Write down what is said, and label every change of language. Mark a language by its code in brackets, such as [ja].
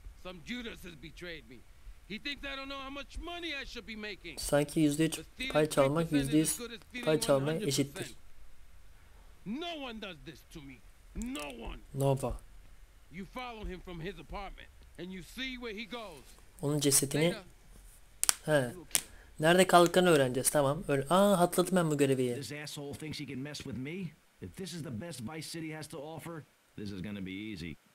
[en] Some Judas has betrayed me. He thinks I don't know how much money I should be making. [tr] Sanki %100 pay çalmak %100 pay çalmaya eşittir. [en] No one does this to me. No one. Nova. You follow him from his apartment and you see where he goes. [tr] Onun cesedini. He. Nerede kaldığını öğreneceğiz, tamam. Öyle. Aa, hatırladım ben bu görevi. [en] This asshole thinks he can mess with me. If this is the best Vice City has to offer, this is gonna be easy.